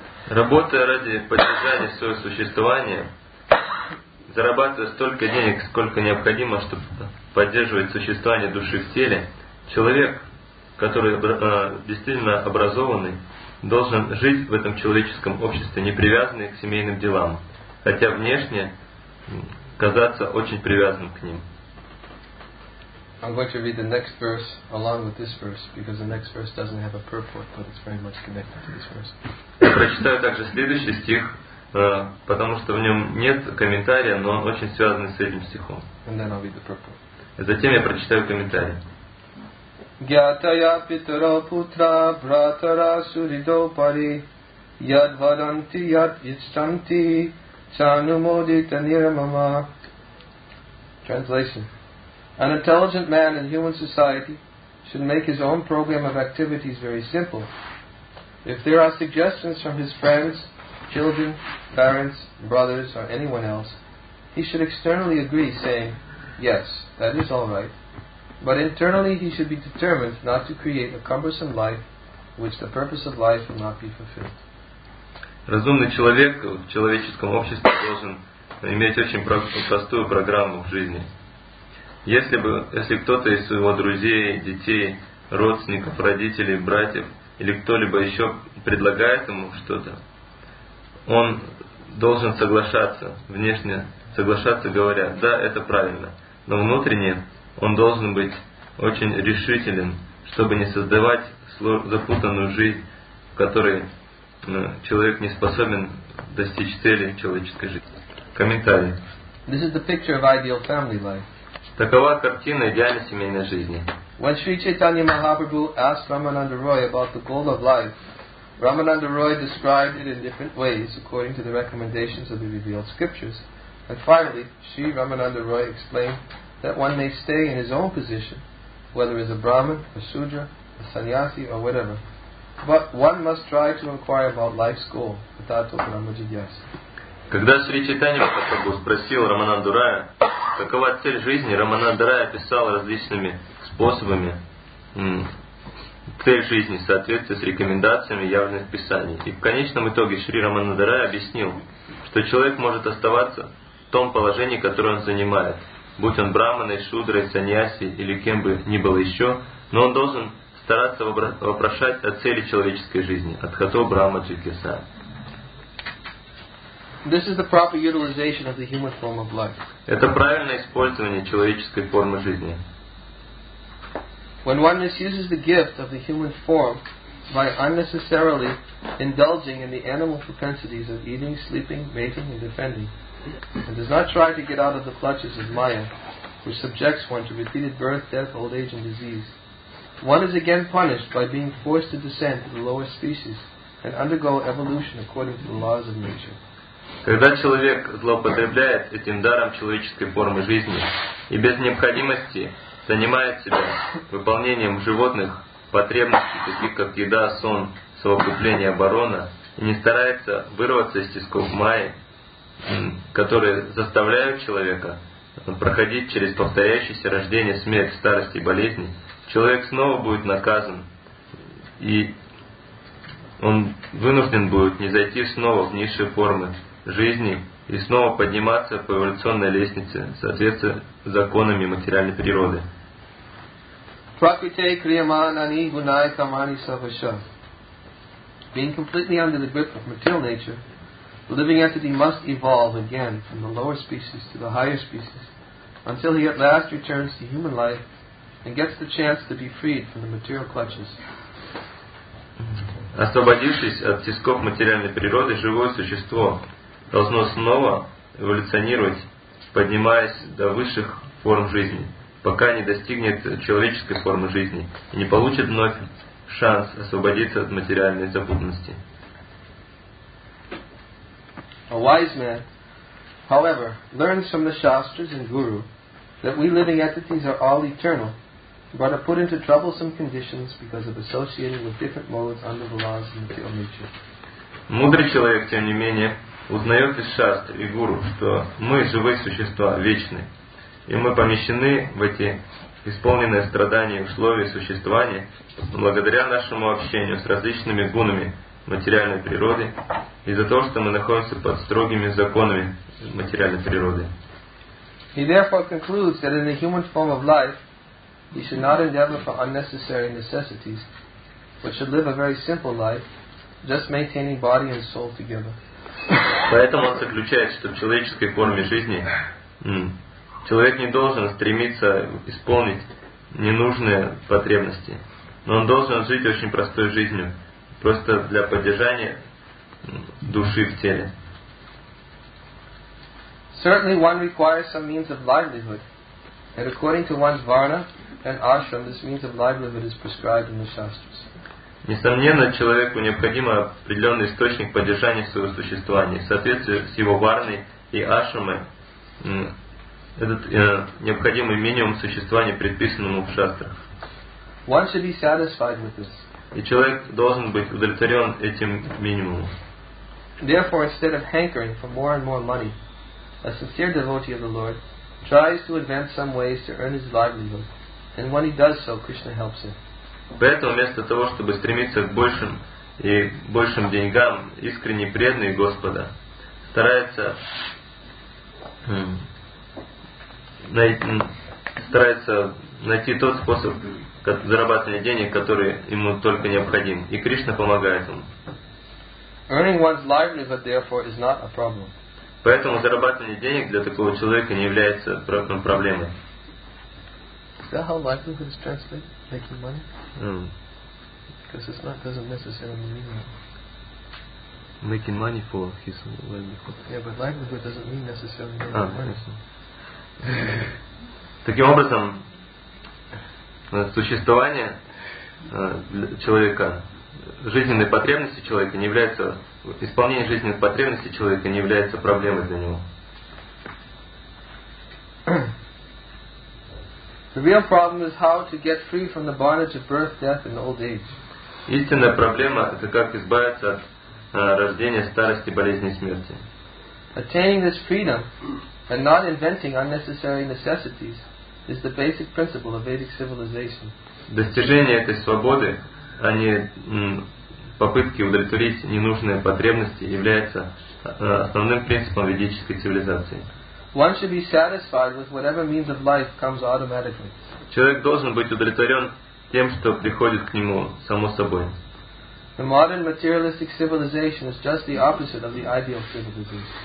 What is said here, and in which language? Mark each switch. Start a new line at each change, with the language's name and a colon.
Russian: Работая ради поддержания своего существования, зарабатывая столько денег, сколько необходимо, чтобы поддерживать существование души в теле, человек, который действительно образованный, должен жить в этом человеческом обществе, не привязанный к семейным делам, хотя внешне казаться очень привязанным к ним.
English: I'm going to read the next verse along with this verse because the next verse doesn't have a purport, but it's very much connected to this verse.
Russian: Я прочитаю также следующий стих, потому что в нем нет комментария, но он очень связан с этим стихом.
English: And then I'll read the purport.
Russian: Затем я прочитаю комментарий.
Sanskrit: Гьятая питаро путра братара суридо пари яд варанти яд ичтанти санумодита нирмама.
English: Translation. An intelligent man in human society should make his own program of activities very simple. If there are suggestions from his friends, children, parents, brothers, or anyone else, he should externally agree, saying, yes, that is all right. But internally he should be determined not to create a cumbersome life which the purpose of life will not be fulfilled.
Russian: Разумный человек в человеческом обществе должен иметь очень простую программу в жизни. Если кто-то из своего друзей, детей, родственников, родителей, братьев или кто-либо еще предлагает ему что-то, он должен соглашаться, внешне соглашаться, говоря, да, это правильно, но внутренне он должен быть очень решителен, чтобы не создавать запутанную жизнь, в которой человек не способен достичь цели человеческой жизни. Комментарий.
English: This is the picture of ideal family life.
Russian: Такова картина идеальной семейной жизни.
English: When Sri Chaitanya Mahaprabhu asked Ramananda Roy about the goal of life, Ramananda Roy described it in different ways according to the recommendations of the revealed scriptures. And finally, Sri Ramananda Roy explained that one may stay in his own position, whether as a Brahmin, a Sudra, a Sannyasi, or whatever. But one must try to inquire about life's goal,
Sanskrit: Tato Brahma Jidyasa.
Russian: Когда Шри Чайтанья Махапрабху спросил Рамананду Рая, какова цель жизни, Рамананда Рая описал различными способами цель жизни в соответствии с рекомендациями явных писаний. И в конечном итоге Шри Рамананда Рая объяснил, что человек может оставаться в том положении, которое он занимает, будь он брахманой, шудрой, саньяси или кем бы ни было еще, но он должен стараться вопрошать о цели человеческой жизни,
Sanskrit: от хато брахма джикеса.
English: This is the proper utilization of the human form of life.
Russian: Это правильное использование человеческой формы жизни.
English: When one misuses the gift of the human form by unnecessarily indulging in the animal propensities of eating, sleeping, mating, and defending, and does not try to get out of the clutches of Maya, which subjects one to repeated birth, death, old age, and disease, one is again punished by being forced to descend to the lower species and undergo evolution according to the laws of nature.
Russian: Когда человек злоупотребляет этим даром человеческой формы жизни и без необходимости занимает себя выполнением животных потребностей, таких как еда, сон, совокупление, оборона, и не старается вырваться из тисков майи, которые заставляют человека проходить через повторяющиеся рождения, смерть, старость и болезни, человек снова будет наказан, и он вынужден будет не зайти снова в низшие формы жизни и снова подниматься по эволюционной лестнице в соответствии с законами материальной природы.
Sanskrit: Prakriti kriyamanani gunai kamani savasya.
English: Being completely under the grip of material nature, the living entity must evolve again from the lower species to the higher species until he at last returns to human life and gets the chance to be freed from the material clutches.
Russian: Освободившись от тисков материальной природы, живое существо должно снова эволюционировать, поднимаясь до высших форм жизни, пока не достигнет человеческой формы жизни и не получит вновь шанс освободиться от материальной запутанности.
English: A wise man, however, learns from the Shastras and Guru that we living entities are all eternal, but are put into troublesome conditions because of associating with different modes under the laws of material nature.
Russian: Мудрый человек, тем не менее, узнает из Шастр и Гуру, что мы живые существа, вечны, и мы помещены в эти исполненные страдания условия существования благодаря нашему общению с различными гунами материальной природы, из-за того, что мы находимся под строгими законами материальной природы.
English: He therefore concludes that in the human form of life, he should not endeavor for unnecessary necessities, but should live a very simple life, just maintaining body and soul together.
Russian: Поэтому он заключает, что в человеческой форме жизни человек не должен стремиться исполнить ненужные потребности, но он должен жить очень простой жизнью, просто для поддержания души в теле.
English: Certainly one requires some means of livelihood, and according to one's varna and ashram, this means of livelihood is prescribed in the shastras.
Russian: Несомненно, человеку необходим определенный источник поддержания своего существования. В соответствии с его варной и ашрамой, этот необходимый минимум существования предписан ему в шастрах.
English: One should be satisfied with this.
Russian: И человек должен быть удовлетворен этим минимумом.
English: Therefore, instead of hankering for more and more money, a sincere devotee of the Lord tries to advance some ways to earn his livelihood, and when he does so, Krishna helps him.
Russian: Поэтому вместо того, чтобы стремиться к большим и большим деньгам, искренне преданный Господа старается найти тот способ зарабатывания денег, который ему только необходим, и Кришна помогает ему.
English: Earning one's livelihood, therefore, is not a problem.
Russian: Поэтому зарабатывание денег для такого человека не является проблемой.
English: Is that how livelihood is translated? Making money? Because it's not doesn't necessarily mean that. Making money for his livelihood. Yeah, but livelihood doesn't mean necessarily making money.
Russian: Таким образом, существование человека, жизненные потребности человека не является, исполнение жизненных потребностей человека не является проблемой для него.
English: The real problem is how to get free from the bondage of birth, death, and old age.
Russian: Истинная проблема – это как избавиться от рождения, старости, болезни и смерти.
English: Attaining this freedom and not inventing unnecessary necessities is the basic principle of Vedic civilization.
Russian: Достижение этой свободы, а не попытки удовлетворить ненужные потребности, является основным принципом ведической цивилизации.
English: One should be satisfied with whatever means of life comes automatically.
Russian: Человек должен быть удовлетворен тем, что приходит к нему само собой.
English: The modern materialistic civilization is just the opposite of the ideal civilization.